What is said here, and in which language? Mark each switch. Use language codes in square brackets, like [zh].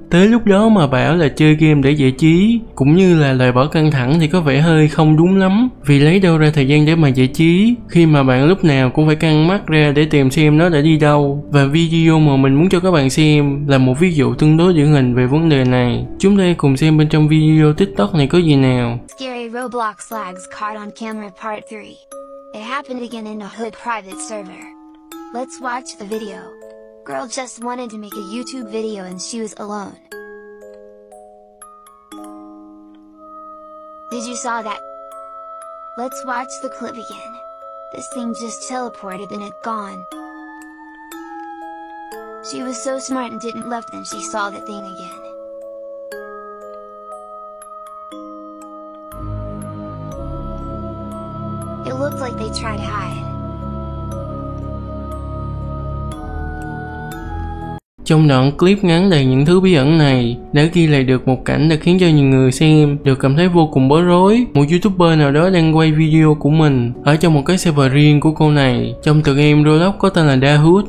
[vi] Tới lúc đó mà bảo là chơi game để giải trí cũng như là loại bỏ căng thẳng thì có vẻ hơi không đúng lắm, vì lấy đâu ra thời gian để mà giải trí khi mà bạn lúc nào cũng phải căng mắt ra để tìm xem nó đã đi đâu. Và video mà mình muốn cho các bạn xem là một ví dụ tương đối điển hình về vấn đề này. Chúng ta cùng xem bên trong video TikTok này có gì nào. [en] Scary Roblox lags caught on camera part 3. It happened again in a hood private server. Let's watch the video. Girl just wanted to make a YouTube video and she was alone. Did you saw that? Let's watch the clip again. This thing just teleported and it gone. She was so smart and didn't left and she saw the thing again. It looked like they tried to hide. [vi] Trong đoạn clip ngắn đầy những thứ bí ẩn này đã ghi lại được một cảnh đã khiến cho nhiều người xem được cảm thấy vô cùng bối rối. Một YouTuber nào đó đang quay video của mình ở trong một cái server riêng của cô này trong tựa game Roblox có tên là Dahoot.